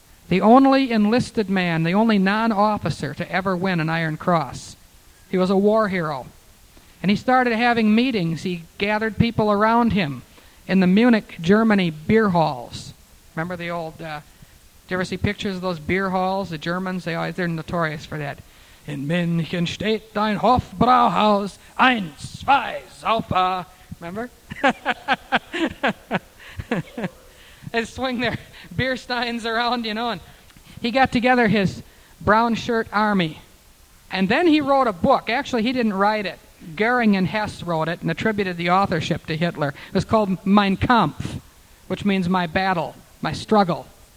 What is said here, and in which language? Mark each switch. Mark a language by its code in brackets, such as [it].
[en] The only enlisted man, the only non-officer to ever win an Iron Cross. He was a war hero. And he started having meetings. He gathered people around him in the Munich, Germany beer halls. Remember the old, did you ever see pictures of those beer halls? The Germans, they're notorious for that. [de] In München steht ein Hofbrauhaus, ein, zwei, saufa. [en] Remember? They'd swing their beer steins around, you know. And he got together his brown shirt army. And then he wrote a book. Actually, he didn't write it. Goering and Hess wrote it and attributed the authorship to Hitler. It was called Mein Kampf, which means my battle, my struggle.